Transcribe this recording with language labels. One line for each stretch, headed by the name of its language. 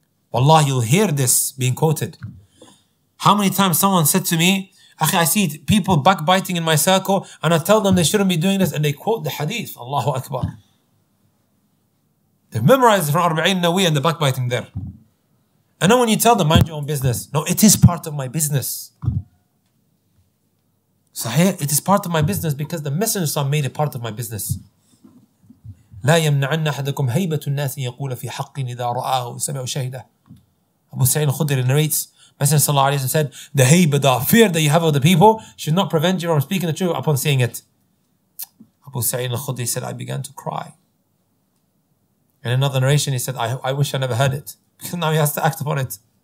English: Wallah, you'll hear this being quoted. How many times someone said to me, Akhi, I see people backbiting in my circle and I tell them they shouldn't be doing this and they quote the hadith. Allahu Akbar. They've memorized it from Arba'in Nawi and the backbiting there. And then when you tell them, mind your own business. No, it is part of my business. Sahih, it is part of my business because the Messenger of Allah made it part of my business.
Arabic: لا يمنعن أحدكم هيبة الناس يقول في حق إذا رآه وسمع شهده.
English: Abu Sa'id al-Khudri narrates, Messenger sallallahu alayhi wa sallam said, the hayba, the fear that you have of the people should not prevent you from speaking the truth upon seeing it. Abu Sa'id al-Khudri said, I began to cry. In another narration, he said, I wish I never heard it. Because now he has to act upon it.